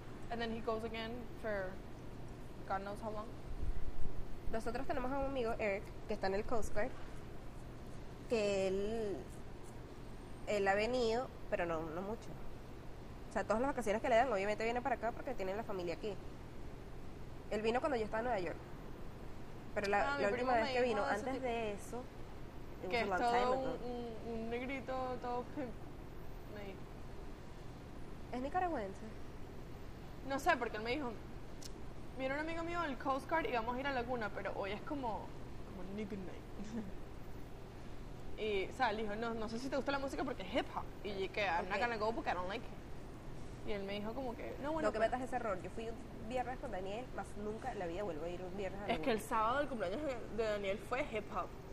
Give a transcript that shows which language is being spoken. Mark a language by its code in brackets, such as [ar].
[en] And then he goes again for God knows how long. [es] Nosotros tenemos a un amigo, Eric, que está en el Coast Guard, que él ha venido, pero no mucho. O sea, todas las vacaciones que le dan, obviamente viene para acá porque tiene la familia aquí. Él vino cuando yo estaba en Nueva York. Pero la última vez que vino, antes de eso, que es todo un negrito, todo pimp. ¿Es nicaragüense? No sé, porque él me dijo, mira, un amigo mío del Coast Guard y vamos a ir a Laguna, pero hoy es como Nick Night. Y, o sea, él dijo, no sé si te gusta la música porque es hip hop. Y yo dije, [en] I'm not gonna go because I don't like it. [es] Y él me dijo como que, no, bueno. No, que metas ese error. Yo fui un viernes con Daniel, más nunca en la vida vuelvo a ir un viernes a Laguna. Es que el sábado del cumpleaños de Daniel fue hip hop.